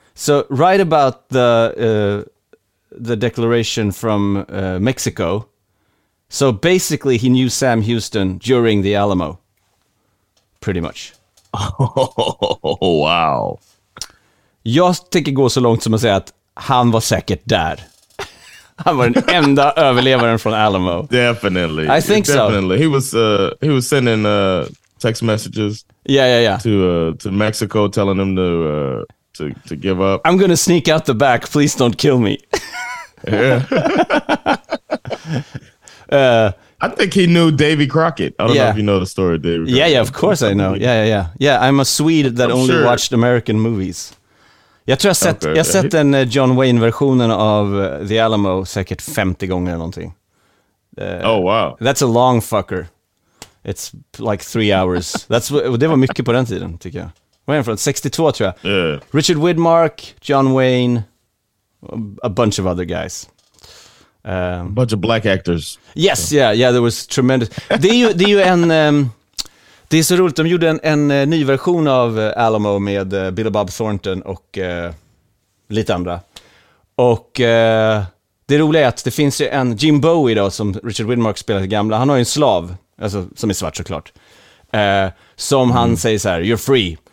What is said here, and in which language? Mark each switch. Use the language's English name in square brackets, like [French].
[English] So right about the declaration from Mexico. So basically he knew Sam Houston during the Alamo. Pretty much. Oh wow. [Swedish] Jag tänker gå så långt som att säga att han var säkert där. Han var den enda överlevaren från Alamo. [English] Definitely. I think definitely. So. Definitely. He was sending text messages. Yeah, yeah, yeah. To Mexico telling him to give up. I'm going to sneak out the back. Please don't kill me. Yeah. I think he knew Davy Crockett. I don't know if you know the story of Davy Crockett. Yeah, yeah, of course I know. Yeah, yeah, yeah. Yeah, I'm a Swede that I'm only sure. watched American movies. [Swedish] Jag tror jag sett den John Wayne-versionen av The Alamo säkert 50 gånger eller någonting. [English] Oh, wow. That's a long fucker. It's like 3 hours. [Swedish] Det var mycket på den tiden, tycker jag. Var är från? 62, tror jag. [English] Yeah. Richard Widmark, John Wayne, a bunch of other guys. A bunch of black actors. Yes, so. Yeah, yeah, there was tremendous. [Swedish] Det är ju en... Det är så roligt, de gjorde en ny version av Alamo med Billy Bob Thornton och lite andra. Och det roliga är att det finns ju en Jim Bowie då, som Richard Widmark spelade gamla. Han har ju en slav, alltså, som är svart såklart. Som han säger så här, [English] you're free.